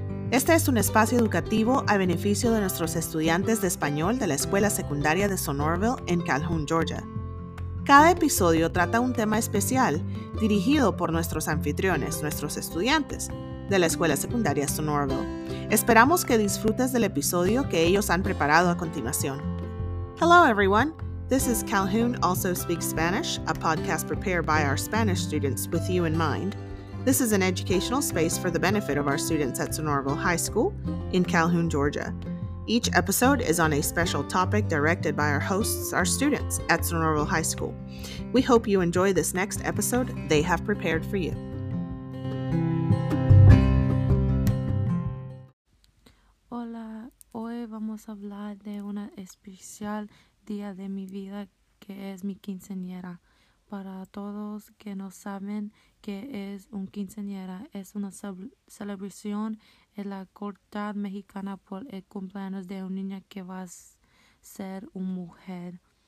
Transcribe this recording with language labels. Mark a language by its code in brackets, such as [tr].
[es] Este es un espacio educativo a beneficio de nuestros estudiantes de español de la Escuela Secundaria de Sonorville en Calhoun, Georgia. Cada episodio trata un tema especial dirigido por nuestros anfitriones, nuestros estudiantes de la Escuela Secundaria Sonorville. Esperamos que disfrutes del episodio que ellos han preparado a continuación. [en] Hello everyone. This is Calhoun Also Speaks Spanish, a podcast prepared by our Spanish students with you in mind. This is an educational space for the benefit of our students at Sonorville High School in Calhoun, Georgia. Each episode is on a special topic directed by our hosts, our students at Sonorville High School. We hope you enjoy this next episode they have prepared for you. [es] Hola, hoy vamos a hablar de una especial día de mi vida que es mi quinceañera. Para todos que no saben qué es un quinceañera, es una celebración en la corte mexicana por el cumpleaños de una niña que va a ser una mujer.